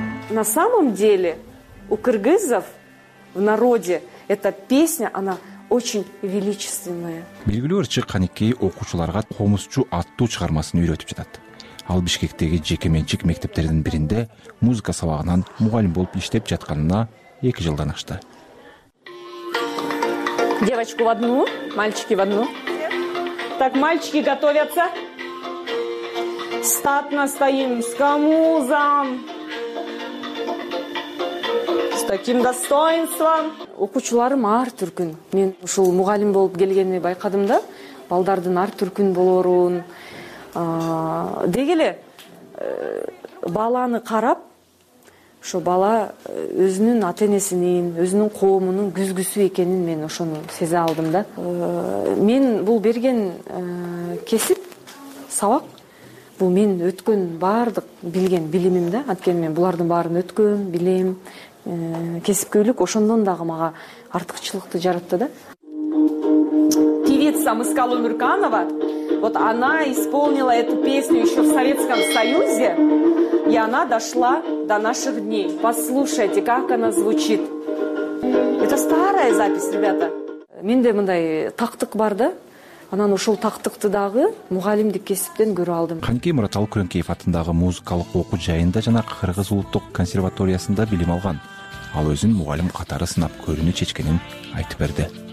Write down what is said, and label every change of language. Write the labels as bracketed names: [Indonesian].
[Russian] На самом деле у кыргызов в народе эта песня она очень величественная. [Kyrgyz] Белгилүү ырчы Каникей окуучуларга Комузчу аттуу чыгармасын үйрөтүп жатат. Ал Бишкектеги жекеменчик мектептердин биринде музыка сабагынан мугалим болуп иштеп жатканына 2 жылдан ашты. [Russian] Девочку в одну, мальчики в одну. Так, мальчики готовятся. Статно стоим с камузом. Таким достоинством. [Kyrgyz] Окуучуларым ар түркүн. Мен ушул мугалим болуп келгенимде байкадым да, балдардын ар түркүн болорун. Деги эле баланы карап, ушу бала өзүнүн ата-энесинин, өзүнүн коомунун күзгүсү экенин мен ошону сезе алдым да. Мен бул берген кесип, сабак Бул мен өткөн баардык билген билимим да, анткени мен булардын баарын өткөм, билем. Кесипкөйлүк ошондон дагы мага артыкчылыкты жаратты да. [Russian] Певица Мыскалы Нурканова, вот она исполнила эту песню еще в Советском Союзе, и она дошла до наших дней. Послушайте, как она звучит. Это старая запись, ребята. [Kyrgyz] Менде мындай тактык бар да. Анан ошол тактыкты дагы мугалимдик кесиптен көрө алдым. Канкей Мурат Алкүрөнкеев атындагы музыкалык окуу жайында жана Кыргыз улуттук консерваториясында билим алган. Ал өзүн мугалим катары сынап көрүүнү чечкенин айтып берди.